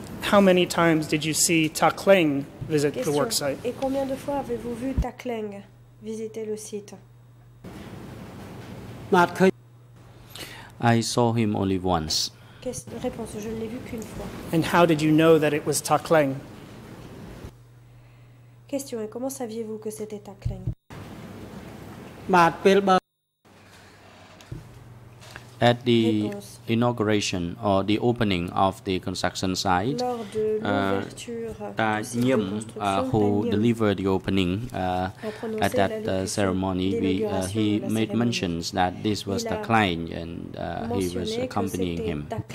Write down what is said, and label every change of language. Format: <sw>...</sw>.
<en>How many times did you see Takleng visit Question. The work site?</en> <fr>Et combien de fois avez-vous vu Takleng visiter le site?</fr> <en>I saw him only once.</en> <fr>Réponse, je ne l'ai vu qu'une fois.</fr> <en>And how did you know that it was Takleng?</en> <fr>Question, et comment saviez-vous que c'était Takleng?</fr> <en>At the inauguration or the opening of the construction site, Nhiem, who delivered the opening at that ceremony, he made mentions that this was Takleng and he was accompanying him.</en>